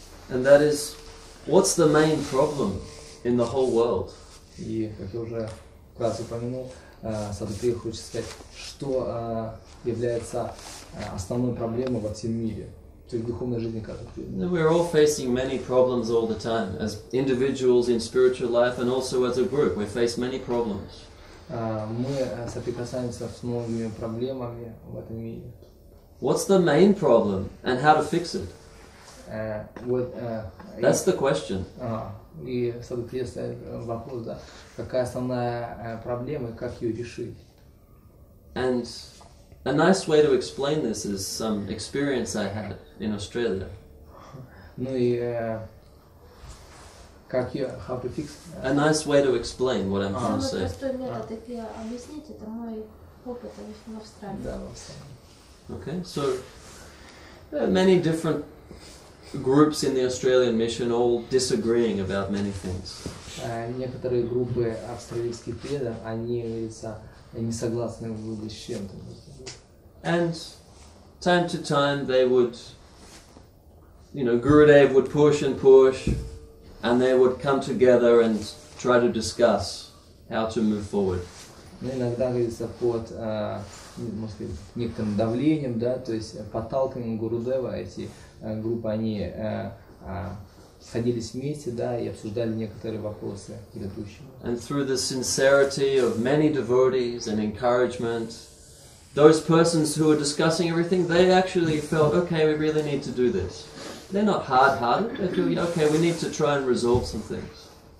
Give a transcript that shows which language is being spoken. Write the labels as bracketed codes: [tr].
[en] And that is, what's the main problem in the whole world? [ru] И как я уже вкратце упомянул, Садхгуру хочет сказать, что является основной проблемой во всем мире, то есть духовной жизни каждого. [en] We are all facing many problems all the time, as individuals in spiritual life, and also as a group. We face many problems. [ru] Мы соприкасаемся с многими проблемами в этом мире. [en] What's the main problem and how to fix it? That's the question. [ru] И соответствует вопрос, да, какая основная проблема и как ее решить. [en] And a nice way to explain this is some experience I had in Australia. [ru] Ну и как ее, [en] how to fix? A nice way to explain what I'm trying to say. [ru] Простой метод, если объяснить, это мой опыт, в Австралии. Да, в Австралии. [en] Okay, so there are many different groups in the Australian mission all disagreeing about many things. [ru] Некоторые группы австралийских преданных, они, говорится, не согласны с чем-то. [en] And time to time they would, you know, Gurudev would push and push, and they would come together and try to discuss how to move forward. [ru] Иногда, говорится, под, может быть, некоторым давлением, да, то есть подталкиванием Гурудева, эти группы, они садились вместе, да, и обсуждали некоторые вопросы предыдущие. [en] And through the sincerity of many devotees and encouragement, those persons who were discussing everything, they actually felt, okay, we really need to do this. They're not hard-hearted, they feel, okay, we need to try and resolve some things.